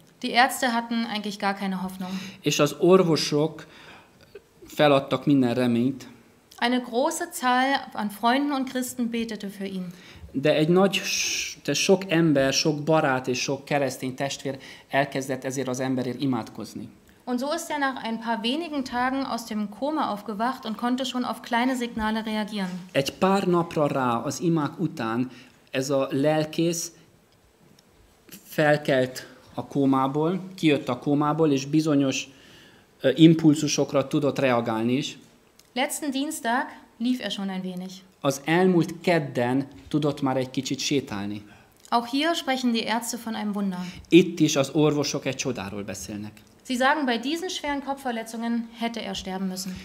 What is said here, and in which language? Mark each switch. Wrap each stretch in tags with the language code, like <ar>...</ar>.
<de>Die Ärzte hatten eigentlich gar keine Hoffnung.</de> <hu>És az orvosok feladtak minden reményt.</hu> <de>Eine große Zahl an Freunden und Christen betete für ihn.</de> <hu>De egy nagy, de sok ember, sok barát és sok keresztény testvér elkezdett ezért az emberért imádkozni.</hu> <de>Und so ist er nach ein paar wenigen Tagen aus dem Koma aufgewacht und konnte schon auf kleine Signale reagieren.</de> <hu>Egy pár napra rá, az imák után, ez a lelkész felkelt a kómából, kijött a kómából, és bizonyos impulzusokra tudott reagálni is.</hu> <de>Letzten Dienstag lief er schon ein wenig.</de> <hu>Az elmúlt kedden tudott már egy kicsit sétálni.</hu> <de>Auch hier sprechen die Ärzte von einem Wunder.</de> <hu>Itt is az orvosok egy csodáról beszélnek.</hu> <de>Sie sagen, bei diesen schweren Kopfverletzungen hätte er sterben müssen.</de>